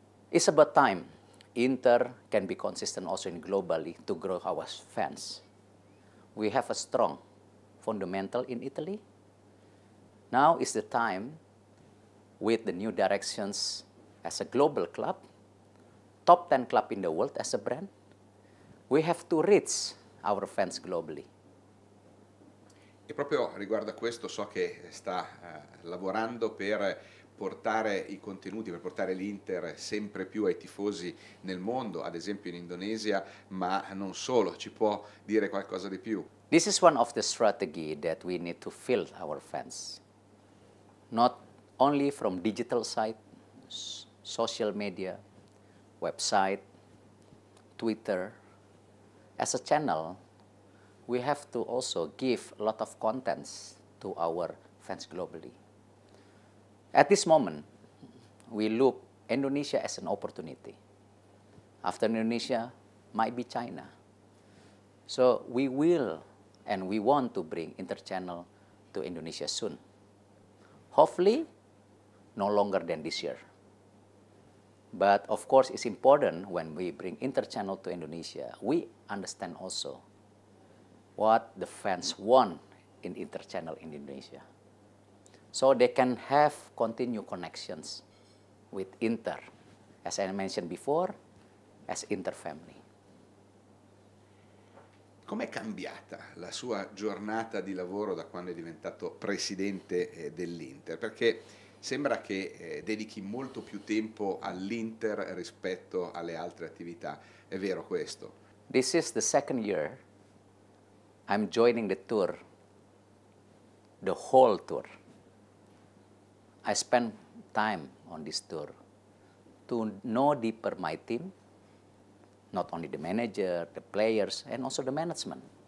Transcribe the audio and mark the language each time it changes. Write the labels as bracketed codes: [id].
[en] It's about time Inter can be consistent also in globally to grow our fans. We have a strong fundamental in Italy. Now is the time with the new directions as a global club, top 10 club in the world as a brand. We have to reach our fans globally. [it] E proprio riguardo a questo, so che sta lavorando per portare i contenuti, per portare l'Inter sempre più ai tifosi nel mondo, ad esempio in Indonesia, ma non solo. Ci può dire qualcosa di più? [en] This is one of the strategy that we need to fill our fans. Not only from digital side, social media, website, Twitter. As a channel, we have to also give a lot of contents to our fans globally. At this moment, we look Indonesia as an opportunity. After Indonesia, might be China. So we will and we want to bring Interchannel to Indonesia soon. Hopefully, no longer than this year. But of course, it's important when we bring Interchannel to Indonesia, we understand also what the fans want in Interchannel in Indonesia. So they can have continued connections with Inter, as I mentioned before, as Inter family. [it] Com'è cambiata la sua giornata di lavoro da quando è diventato presidente dell'Inter? Perché sembra che dedichi molto più tempo all'Inter rispetto alle altre attività. È vero questo? [en] This is the second year I'm joining the tour, the whole tour. I spend time on this tour to know deeper my team, not only the manager, the players, and also the management.